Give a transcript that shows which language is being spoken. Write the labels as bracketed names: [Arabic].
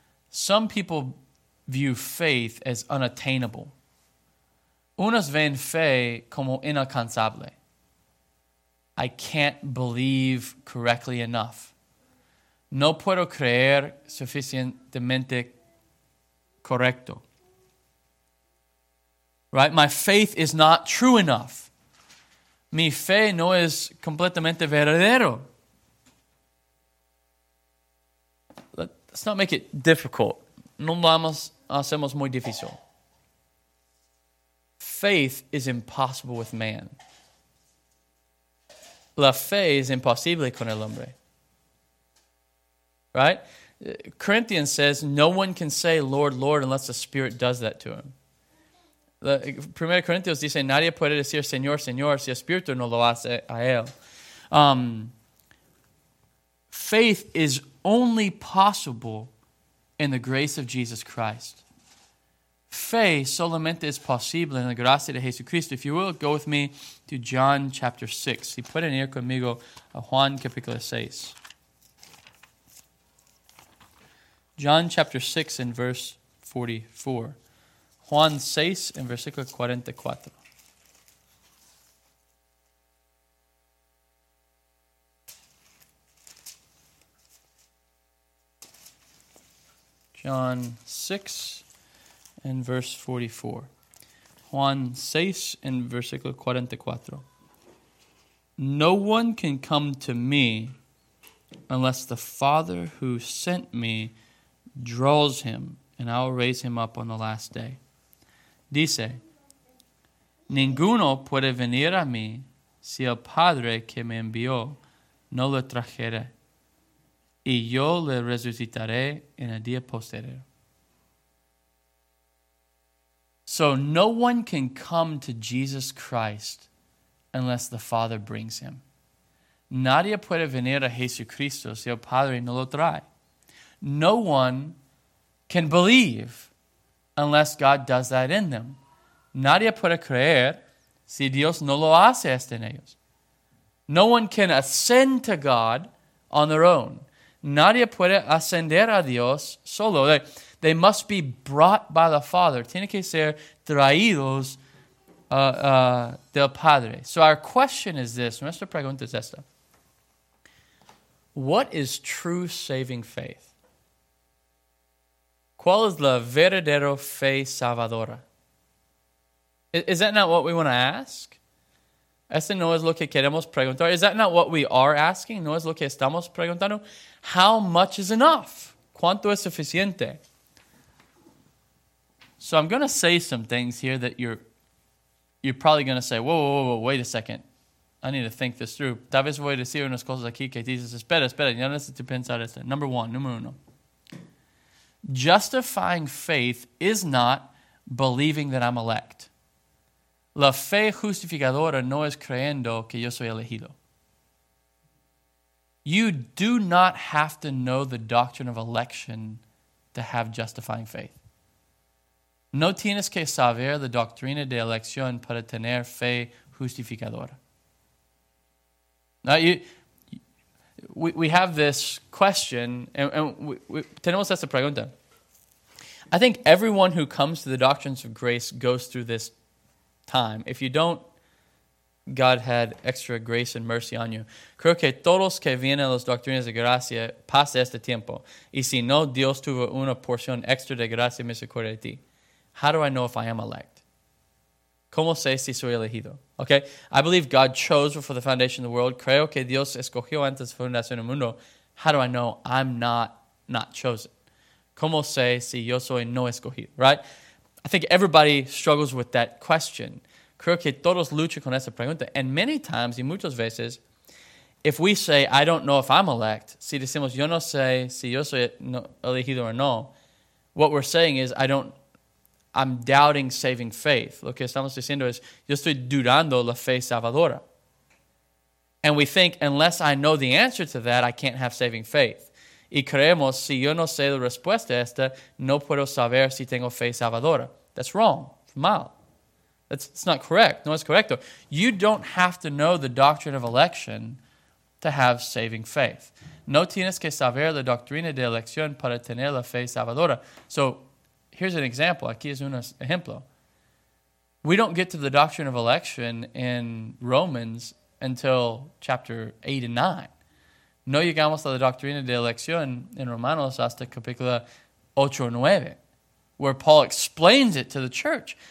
[English] Some people view faith as unattainable. [Spanish] Unos ven fe como inalcanzable. [English] I can't believe correctly enough. [Spanish] No puedo creer suficientemente correcto. [English] Right? My faith is not true enough. [Spanish] Mi fe no es completamente verdadero. [English] Let's not make it difficult. [Spanish] No lo hacemos muy difícil. [English] Faith is impossible with man. [Spanish] La fe es imposible con el hombre. [English] Right? Corinthians says, no one can say, Lord, Lord, unless the Spirit does that to him. [Spanish] Primera Corintios dice, nadie puede decir Señor, Señor, si el Espíritu no lo hace a él. [English] Faith is only possible in the grace of Jesus Christ. [Spanish] Fe solamente es posible en la gracia de Jesucristo. [English] If you will, go with me to John chapter 6. [Spanish] Si pueden ir conmigo a Juan capítulo 6. [English] John chapter 6 and verse 44. [Spanish] Juan 6 en versículo 44. [English] John 6 en verse 44. [Spanish] Juan 6 en versículo 44. [English] No one can come to me unless the Father who sent me draws him, and I will raise him up on the last day. [Spanish] Dice, ninguno puede venir a mí si el Padre que me envió no lo trajere, y yo le resucitaré en el día posterior. [English] So no one can come to Jesus Christ unless the Father brings him. [Spanish] Nadie puede venir a Jesucristo si el Padre no lo trae. [English] No one can believe unless God does that in them. [Spanish] Nadie puede creer si Dios no lo hace esto en ellos. [English] No one can ascend to God on their own. [Spanish] Nadie puede ascender a Dios solo. [English] They must be brought by the Father. [Spanish] Tiene que ser traídos del Padre. [English] So our question is this. [Spanish] Nuestra pregunta es esta. [English] What is true saving faith? [Spanish] ¿Cuál es la verdadera fe salvadora? [English] Is that not what we want to ask? [Spanish] ¿Ese no es lo que queremos preguntar? [English] Is that not what we are asking? [Spanish] ¿No es lo que estamos preguntando? [English] How much is enough? [Spanish] ¿Cuánto es suficiente? [English] So I'm going to say some things here that you're probably going to say, whoa, wait a second. I need to think this through. [Spanish] Tal vez voy a decir unas cosas aquí que dices, espera, ya necesito pensar esto. [English] Number one, [Spanish] número uno. [English] Justifying faith is not believing that I'm elect. [Spanish] La fe justificadora no es creyendo que yo soy elegido. [English] You do not have to know the doctrine of election to have justifying faith. [Spanish] No tienes que saber la doctrina de elección para tener fe justificadora. [English] Now, we have this question, and [Spanish] tenemos esta pregunta. [English] I think everyone who comes to the doctrines of grace goes through this time. If you don't, God had extra grace and mercy on you. [Spanish] Creo que todos que vienen a las doctrinas de gracia pasan este tiempo. Y si no, Dios tuvo una porción extra de gracia y misericordia de ti. [English] How do I know if I am elect? [Spanish] ¿Cómo sé si soy elegido? [English] Okay? I believe God chose before the foundation of the world. [Spanish] Creo que Dios escogió antes de fundación del mundo. [English] How do I know I'm not chosen? [Spanish] ¿Cómo sé si yo soy no escogido? [English] Right? I think everybody struggles with that question. [Spanish] Creo que todos luchan con esa pregunta. [English] And many times, [Spanish] y muchas veces, [English] if we say, I don't know if I'm elect, [Spanish] si decimos, yo no sé si yo soy elegido [English] or no, what we're saying is, I'm doubting saving faith. [Spanish] Lo que estamos diciendo es, yo estoy dudando la fe salvadora. [English] And we think, unless I know the answer to that, I can't have saving faith. [Spanish] Y creemos, si yo no sé la respuesta a esta, no puedo saber si tengo fe salvadora. [English] That's wrong. It's [Spanish] mal. [English] it's not correct. No, it's correct, though. You don't have to know the doctrine of election to have saving faith. [Spanish] No tienes que saber la doctrina de elección para tener la fe salvadora. [English] So here's an example. [Spanish] Aquí es un ejemplo. [English] We don't get to the doctrine of election in Romans until chapter 8 and 9. [Spanish] No llegamos a la doctrina de elección en Romanos hasta capítulo 8 y 9, [English] where Paul explains it to the church.